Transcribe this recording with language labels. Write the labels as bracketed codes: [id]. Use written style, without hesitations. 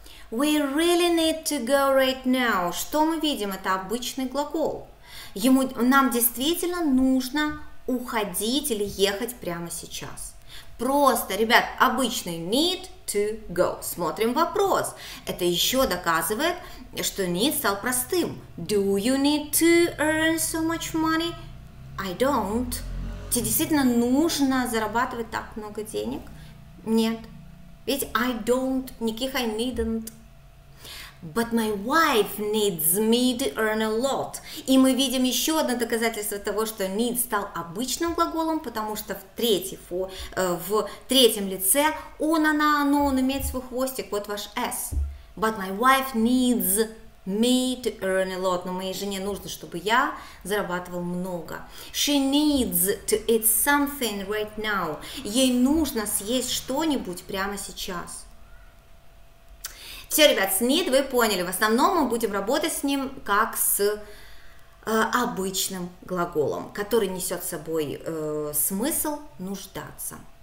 [en] We really need to go right now. [ru] Что мы видим? Это обычный глагол. Нам действительно нужно уходить или ехать прямо сейчас. Просто, ребят, обычный need to go. Смотрим вопрос. Это еще доказывает, что need стал простым. [en] Do you need to earn so much money? I don't. [ru] Тебе действительно нужно зарабатывать так много денег? Нет. Ведь [en] I don't, [ru] никаких I needn't. [en] But my wife needs me to earn a lot. [ru] И мы видим еще одно доказательство того, что need стал обычным глаголом, потому что в третьем лице он, она, оно, он имеет свой хвостик, вот ваш S. [en] But my wife needs me to earn a lot. [ru] Но моей жене нужно, чтобы я зарабатывал много. [en] She needs to eat something right now. [ru] Ей нужно съесть что-нибудь прямо сейчас. Все, ребят, с need вы поняли. В основном мы будем работать с ним как с обычным глаголом, который несет с собой смысл нуждаться.